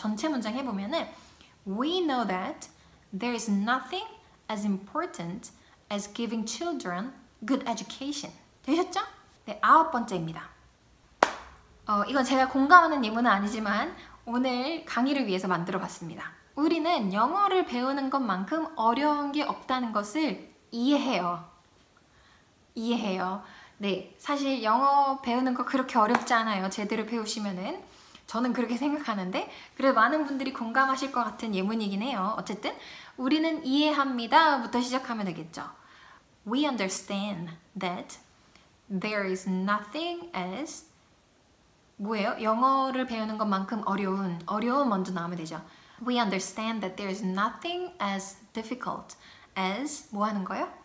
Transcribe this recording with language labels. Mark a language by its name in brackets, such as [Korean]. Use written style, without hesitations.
[Korean] 전체 문장 해보면은 [English] We know that there is nothing as important as giving children good education. [Korean] 되셨죠? 네, 아홉 번째입니다. 이건 제가 공감하는 예문은 아니지만 오늘 강의를 위해서 만들어봤습니다. 우리는 영어를 배우는 것만큼 어려운 게 없다는 것을 이해해요. 이해해요. 네, 사실 영어 배우는 거 그렇게 어렵지 않아요. 제대로 배우시면은 저는 그렇게 생각하는데 그래도 많은 분들이 공감하실 것 같은 예문이긴 해요. 어쨌든 우리는 이해합니다 부터 시작하면 되겠죠. [English] We understand that there is nothing as [Korean] 뭐예요? 영어를 배우는 것만큼 어려운 먼저 나오면 되죠. [English] We understand that there is nothing as difficult as [Korean] 뭐 하는 거예요?